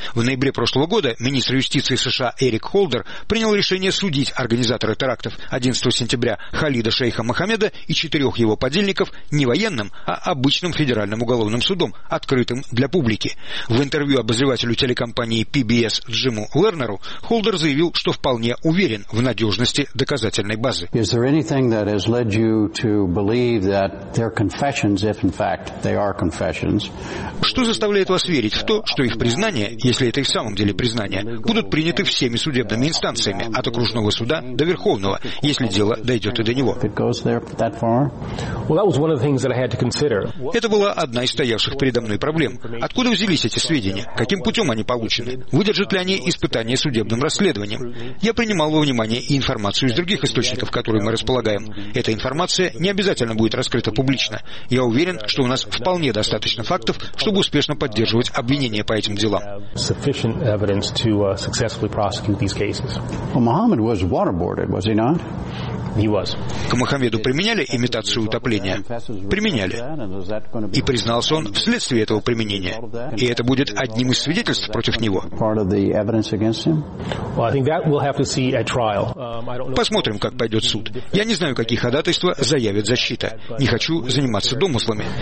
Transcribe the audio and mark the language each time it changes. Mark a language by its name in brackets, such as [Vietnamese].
[Russian] В ноябре прошлого года министр юстиции США Эрик Холдер принял решение судить организатора терактов 11 сентября Халида Шейха Мохаммеда и четырех его подельников не военным, а обычным федеральным уголовным судом, открытым для публики. В интервью обозревателю телекомпании PBS Джиму Лернеру Холдер заявил, что вполне уверен, уверен в надежности доказательной базы. [English] Is there anything that has led you to believe that their confessions, if in fact they are confessions? [Russian] Что заставляет вас верить в то, что их признания, если это и в самом деле признания, будут приняты всеми судебными инстанциями, от окружного суда до верховного, если дело дойдет и до него? [English] Well, that was one of the things that I had to consider. [Russian] Это была одна из стоявших передо мной проблем. Откуда взялись эти сведения? Каким путем они получены? Выдержат ли они испытания судебным расследованием? Я принимал во внимание и информацию из других источников, которые мы располагаем. Эта информация не обязательно будет раскрыта публично. Я уверен, что у нас вполне достаточно фактов, чтобы успешно поддерживать обвинения по этим делам. Мухаммед был [English] waterboarded, was he not? He was. [Russian] К Мухаммеду применяли имитацию утопления? Применяли. И признался он вследствие этого применения. И это будет одним из свидетельств против него. Посмотрим, как пойдет суд. Я не знаю, какие ходатайства заявит защита. Не хочу заниматься домыслами.